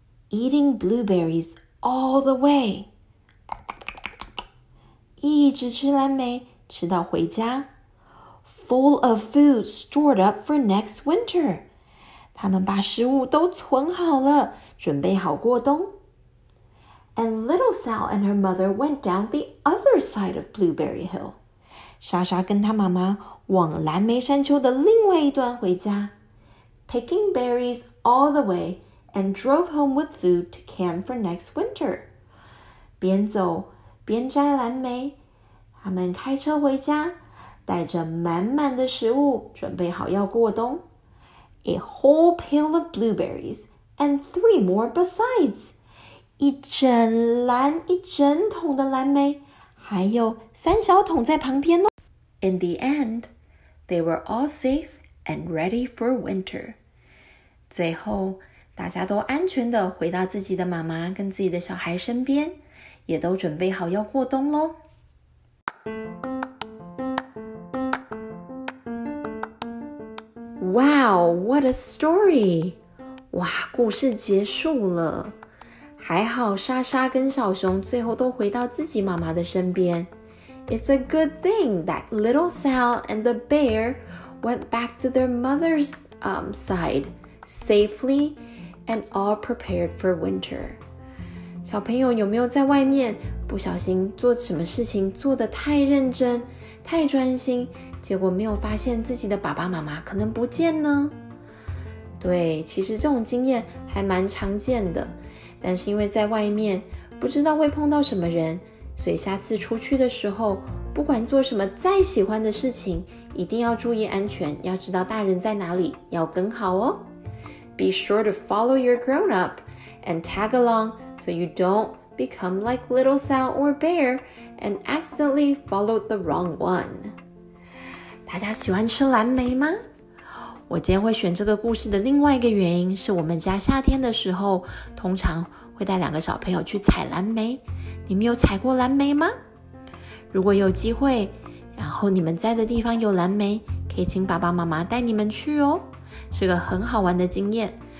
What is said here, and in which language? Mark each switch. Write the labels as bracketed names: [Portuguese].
[English] eating blueberries all the way. [Chinese] 一直吃蓝莓，吃到回家。 [English] Full of food stored up for next winter. [Chinese] 他们把食物都存好了，准备好过冬。 [English] And Little Sal and her mother went down the other side of Blueberry Hill. [Chinese] 莎莎跟她妈妈往蓝莓山丘的另外一端回家。 [English] Picking berries all the way and drove home with food to camp for next winter. [Chinese] 边走边摘蓝莓，他们开车回家，带着满满的食物，准备好要过冬。 [English] A whole pail of blueberries and three more besides. [Chinese] 一整篮一整桶的蓝莓，还有三小桶在旁边哦。 [English] In the end, they were all safe and ready for winter. [Chinese] 最后，大家都安全地回到自己的妈妈跟自己的小孩身边，也都准备好要过冬咯。 [English] Wow, what a story! [Chinese] 哇，故事结束了。还好莎莎跟小熊最后都回到自己妈妈的身边。 [English] It's a good thing that little Sal and the bear went back to their mother's side safely and all prepared for winter. [Chinese] 小朋友有没有在外面不小心做什么事情做得太认真、太专心，结果没有发现自己的爸爸妈妈可能不见呢？对，其实这种经验还蛮常见的。但是因为在外面不知道会碰到什么人，所以下次出去的时候，不管做什么再喜欢的事情，一定要注意安全，要知道大人在哪里，要跟好哦。 [English] Be sure to follow your grown-up and tag along so you don't become like little Sal or bear and accidentally follow the wrong one. [Chinese] 大家喜欢吃蓝莓吗？我今天会选这个故事的另外一个原因是我们家夏天的时候通常会带两个小朋友去采蓝莓。你们有采过蓝莓吗？如果有机会，然后你们在的地方有蓝莓，可以请爸爸妈妈带你们去哦，是个很好玩的经验。